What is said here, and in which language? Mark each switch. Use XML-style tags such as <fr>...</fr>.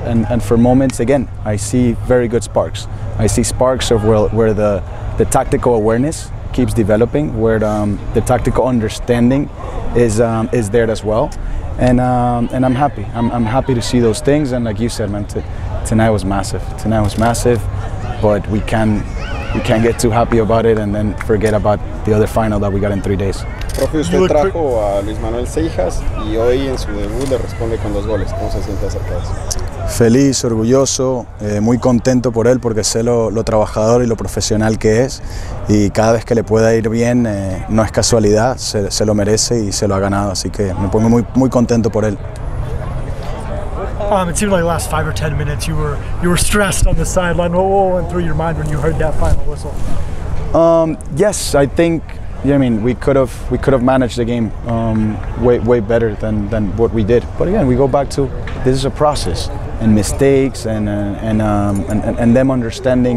<en>And for moments, again, I see very good sparks. I see sparks of where the tactical awareness keeps developing, where the tactical understanding is there as well. And I'm happy. I'm happy to see those things. And like you said, man, tonight was massive. Tonight was massive. But we can't get too happy about it and then forget about the other final that we got in 3 days.</en> <es>Profe, usted trajo a Luis Manuel Seijas y hoy en su debut le responde con 2 goles. ¿Cómo se siente acerca de eso? Feliz, orgulloso, muy contento por él porque sé lo trabajador y lo profesional que es. Y cada vez que le pueda ir bien, no es casualidad, se lo merece y se lo ha ganado. Así que me pongo muy, muy contento por él.</es> <en>It seemed like the last 5 or 10 minutes you were stressed on the sideline. What went through your mind when you heard that final whistle? Yes, I think. We could have managed the game way better than what we did. But again, we go back to this is a process and mistakes and them understanding.</en>